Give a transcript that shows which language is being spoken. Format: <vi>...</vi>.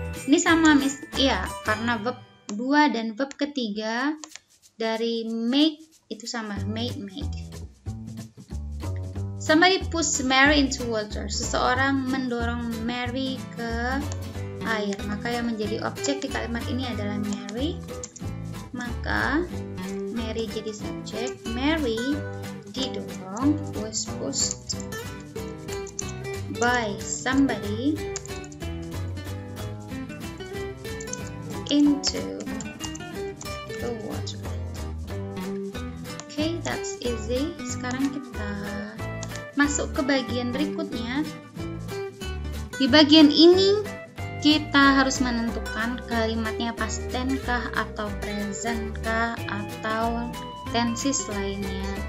<id>Ini sama Miss, iya, karena verb 2 dan verb ketiga dari make itu sama, made.</id> <en>Somebody pushed Mary into water.</en> <id>Seseorang mendorong Mary ke air. Maka yang menjadi objek di kalimat ini adalah Mary. Maka Mary jadi subjek. Mary didorong,</id> <en>was pushed by somebody into the water. Okay, that's easy.</en> <id>Sekarang kita masuk ke bagian berikutnya. Di bagian ini kita harus menentukan kalimatnya past tense kah atau present kah atau tenses lainnya.</id>